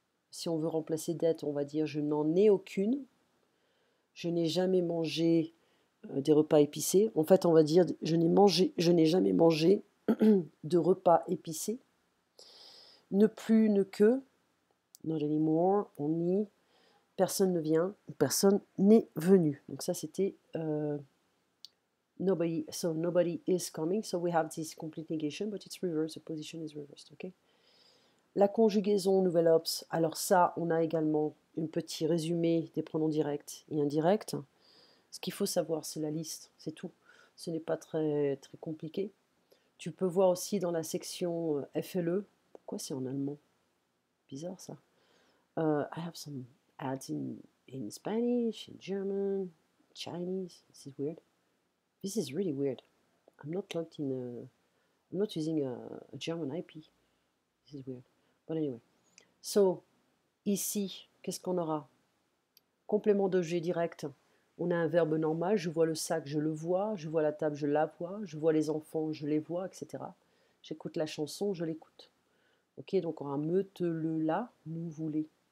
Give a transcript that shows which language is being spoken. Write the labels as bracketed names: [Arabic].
[French] Si on veut remplacer dette, on va dire je n'en ai aucune. Je n'ai jamais mangé des repas épicés. En fait, on va dire je n'ai jamais mangé de repas épicés. Ne plus, ne que. [English] Not anymore, [French] on nie. Personne ne vient, personne n'est venu. Donc ça, c'était nobody, [English] so nobody is coming. So we have this complete negation, but it's reversed. The position is reversed. [French] Okay? La conjugaison, nouvel ops. Alors ça, on a également un petit résumé des pronoms directs et indirects. Ce qu'il faut savoir, c'est la liste, c'est tout. Ce n'est pas très très compliqué. Tu peux voir aussi dans la section FLE. Pourquoi c'est en allemand? Bizarre ça. [English] I have some ads in Spanish, in German, Chinese. This is weird. This is really weird. I'm not logged in a, I'm not using a German IP. This is weird. But anyway. [French] So, ici, qu'est-ce qu'on aura? Complément d'objet direct. On a un verbe normal. Je vois le sac, je le vois. Je vois la table, je la vois. Je vois les enfants, je les vois, etc. J'écoute la chanson, je l'écoute. Ok, donc on aura me, te, le, la, nous, vous, les.